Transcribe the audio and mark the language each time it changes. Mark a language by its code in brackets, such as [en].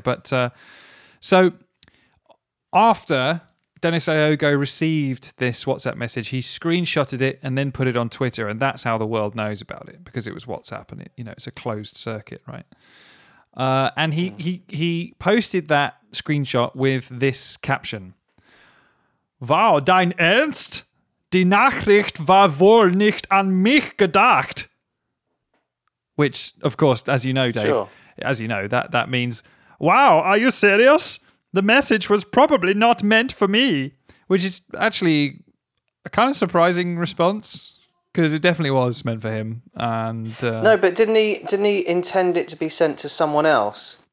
[en] But so after Dennis Aogo received this WhatsApp message, he screenshotted it and then put it on Twitter, and that's how the world knows about it, because it was WhatsApp and it's a closed circuit, right? And he posted that screenshot with this caption... [de] Wow, dein Ernst? Die Nachricht war wohl nicht an mich gedacht. [en] Which, of course, as you know, Dave, as you know, that means, wow, are you serious? The message was probably not meant for me. Which is actually a kind of surprising response, because it definitely was meant for him. And no, but didn't he intend it to be sent to someone else?